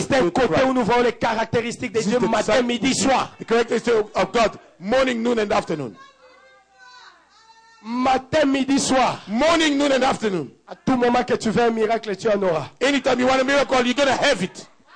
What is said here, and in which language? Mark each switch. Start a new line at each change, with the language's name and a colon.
French: C'est un côté où nous voyons les caractéristiques de Dieu matin, midi, soir.
English: The characteristics of God, morning, noon and afternoon.
French: Matin, midi, soir.
English: Morning, noon and afternoon.
French: À tout moment que tu veux un miracle, tu en auras.
English: Anytime you want a miracle, you're going to have it.